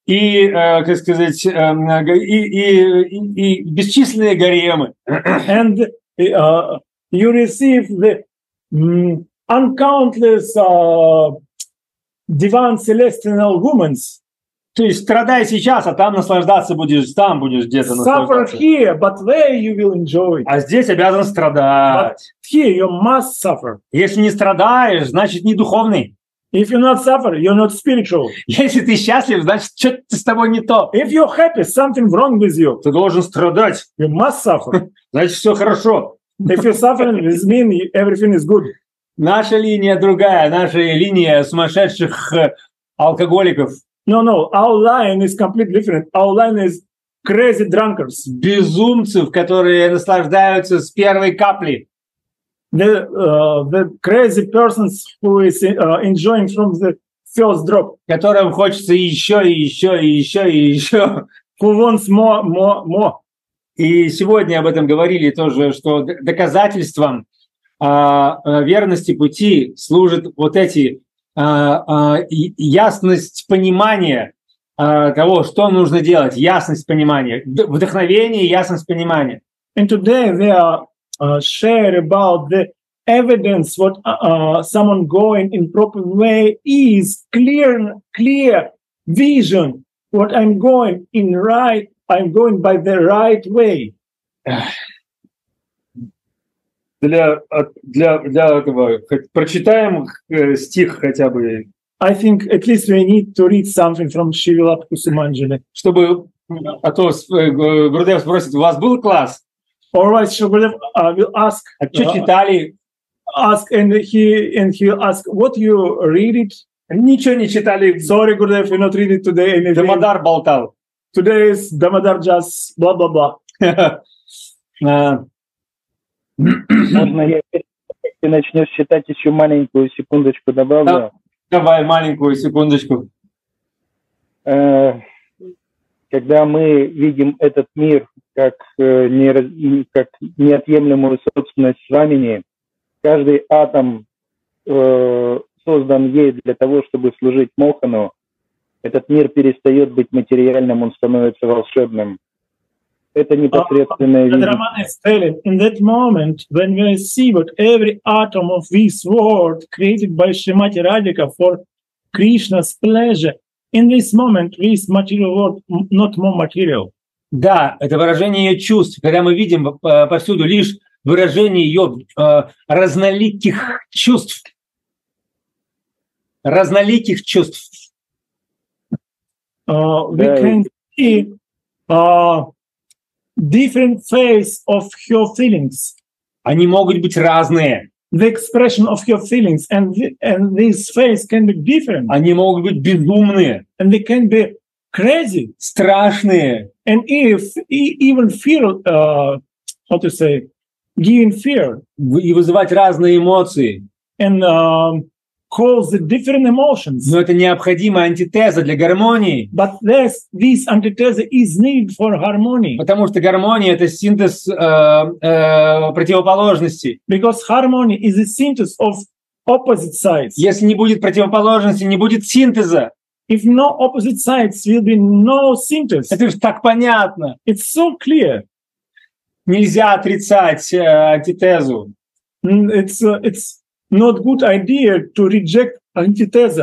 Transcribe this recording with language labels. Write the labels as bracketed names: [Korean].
[Russian] И, как сказать, и бесчисленные гаремы. [English] And you receive the uncountless divine celestial women. [Russian] То есть страдай сейчас, а там наслаждаться будешь, там будешь где-то наслаждаться. [English] Suffer here, but there you will enjoy. [Russian] А здесь обязан страдать. [English] But here you must suffer. [Russian] Если не страдаешь, значит не духовный. [English] If you not suffer, you're not spiritual. [Russian] Если ты счастлив, значит что-то с тобой не то. [English] If you're happy, something wrong with you. [Russian] Ты должен страдать. [English] You must suffer. [Russian] Значит все хорошо. [English] If you're suffering, this means everything is good. [Russian] Наша линия другая, наша линия сумасшедших алкоголиков. [English] No, our line is completely different. Our line is crazy drunkards. [Russian] Безумцев, которые наслаждаются с первой капли. [English] The crazy persons who is enjoying from the first drop. [Russian] Которым хочется еще и еще и еще и еще. [English] Who wants more. [Russian] И сегодня об этом говорили тоже, что доказательством верности пути служат вот эти ясность понимания того, что нужно делать, ясность понимания, вдохновение, ясность понимания. [English] And today we are sharing about the evidence what someone going in proper way is clear vision what I'm going in right, I'm going by the right way. [Russian] Для этого прочитаем стих хотя бы. [English] I think at least we need to read something from Shrivilap Kusumanjali. [Russian] Чтобы, а то Гурдев спросит, у вас был класс? [English] Or else Shrivilap will ask. [Russian] А что читали? [English] Ask and he will ask, what you read it? [Russian] Ничего не читали. [English] Sorry, Gurdev, we not read it today. Anything. [Russian] Дамодар болтал. [English] Today is Дамодар just blah blah blah. [Russian] Можно я опять начнешь считать еще маленькую секундочку добавлю? Да, давай маленькую секундочку. Когда мы видим этот мир как неотъемлемую собственность времени, каждый атом создан ей для того, чтобы служить Мохану, этот мир перестает быть материальным, он становится волшебным. Это непосредственное видение. Роман говорит, [English] in that moment, when we see what every atom of this world created by Shrimati Radhika for Krishna's pleasure, in this moment, this material world not more material. [Russian] Да, это выражение ее чувств, когда мы видим повсюду лишь выражение ее разноликих чувств. Разноликих чувств. [English] We can see different phases of her feelings. [Russian] Они могут быть разные. [English] The expression of her feelings and this phase can be different. [Russian] Они могут быть безумные. [English] And they can be crazy. [Russian] Страшные. [English] And if even fear, how to say, giving fear. [Russian] И вызывать разные эмоции. [English] And cause the different emotions. [Russian] Но это необходимая антитеза для гармонии. [English] But this antitheses is needed for harmony. [Russian] Потому что гармония это синтез противоположностей. [English] Because harmony is a synthesis of opposite sides. [Russian] Если не будет противоположности, не будет синтеза. [English] If no opposite sides, will be no synthesis. [Russian] Это же так понятно. [English] It's so clear. [Russian] Нельзя отрицать антитезу. [English] It's not good idea to reject antitheses.